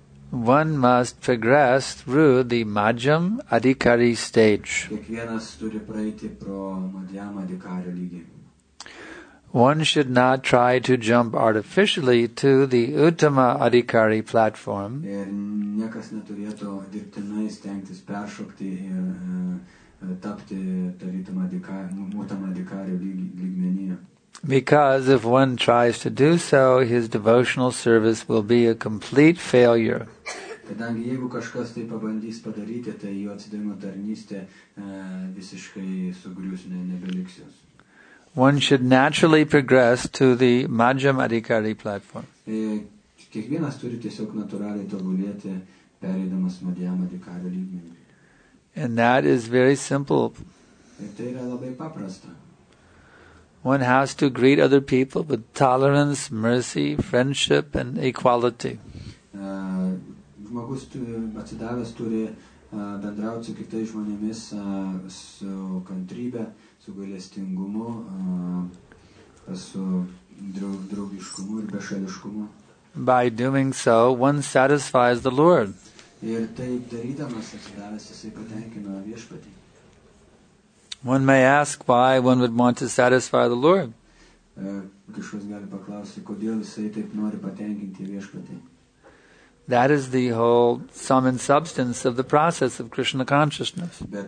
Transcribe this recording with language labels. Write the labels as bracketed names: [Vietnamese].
[English] one must progress through the Madhyam Adhikari stage. [Lithuanian] Kiekvienas turi praeiti pro Madhyam Adhikari lygį. [English] One should not try to jump artificially to the Uttama Adhikari platform. [Lithuanian] Ir niekas neturėtų dirbtinai stengtis peršokti ir tapti tarytum Uttama Adhikari lygmenyje. [English] Because if one tries to do so, his devotional service will be a complete failure. [Lithuanian] Kadangi jeigu kažkas tai pabandys padaryti, tai jo atsidavimo tarnystė visiškai sugrius, nebeliks jos. [English] One should naturally progress to the Madhyam Adhikari platform. [Lithuanian] Kiekvienas turi tiesiog natūraliai tobulėti, pereidamas Madhyam Adhikari lygmenį. [English] And that is very simple. [Lithuanian] Tai yra labai paprasta. [English] One has to greet other people with tolerance, mercy, friendship, and equality. [Lithuanian] Žmogus atsidavęs turi bendrauti su kitais žmonėmis su kantrybe, su gailestingumu, su draugiškumu ir bešališkumu. [English] By doing so, one satisfies the Lord. [Lithuanian] Ir taip darydamas atsidavęs, jisai patenkina viešpatį. [English] One may ask why one would want to satisfy the Lord. That is the whole sum and substance of the process of Krishna consciousness.